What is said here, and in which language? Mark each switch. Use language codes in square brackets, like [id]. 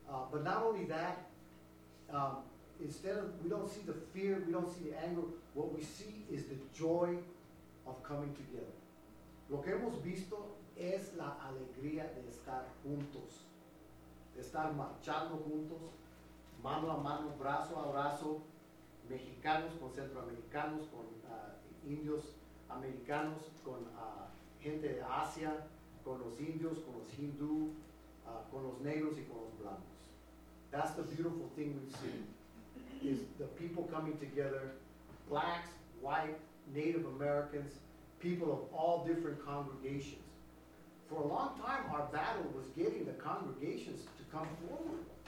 [en] But not only that, instead of, we don't see the fear, we don't see the anger, what we see is the joy of coming together. [es] Lo que hemos visto es la alegría de estar juntos, de estar marchando juntos, mano a mano, brazo a brazo, mexicanos con centroamericanos, con indios americanos, con gente de Asia, con los indios, con los hindú, con los negros y con los blancos. [en] That's the beautiful thing we've seen, is the people coming together, blacks, white, Native Americans, people of all different congregations. For a long time, our battle was getting the congregations to come forward.